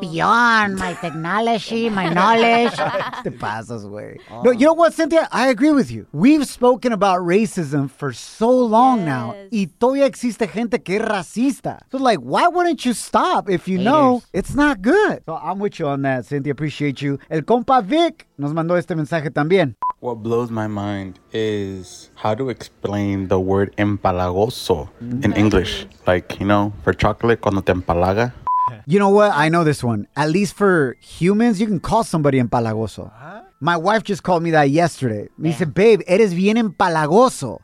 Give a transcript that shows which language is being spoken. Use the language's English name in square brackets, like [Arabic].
[English] Beyond my technology, my knowledge. [Spanish] Te pasas, güey. [English] No, you know what, Cynthia? I agree with you. We've spoken about racism for so long now. [Spanish] Y todavía existe gente que es racista. [English] So, like, why wouldn't you stop if you know it's not good? So, I'm with you on that, Cynthia. Appreciate you. [Spanish] El compa Vic nos mandó este mensaje también. [English] What blows my mind is how to explain the word empalagoso in English. Like, you know, for chocolate, [Spanish] cuando te empalaga. [English] You know what? I know this one. At least for humans, you can call somebody empalagoso. Huh? My wife just called me that yesterday. Me said, babe, [Spanish] eres bien empalagoso.